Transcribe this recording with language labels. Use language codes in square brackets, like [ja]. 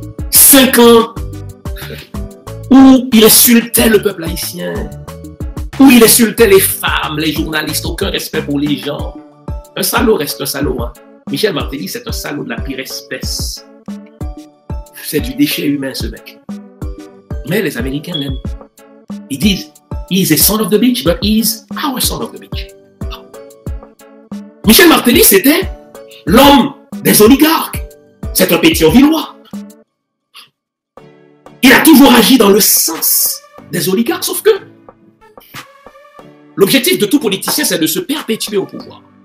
[fr] 5 ans où il insultait le peuple haïtien. Où il insultait les femmes, les journalistes, aucun respect pour les gens. Un salaud reste un salaud. Hein. Michel Martelly, c'est un salaud de la pire espèce. C'est du déchet humain, ce mec. Mais les Américains l'aiment. Ils disent, [en] he's a son of the beach, but he's our son of the beach. [fr] Michel Martelly, c'était l'homme des oligarques. C'est un pétionvillois. Il a toujours agi dans le sens des oligarques, sauf que l'objectif de tout politicien, c'est de se perpétuer au pouvoir.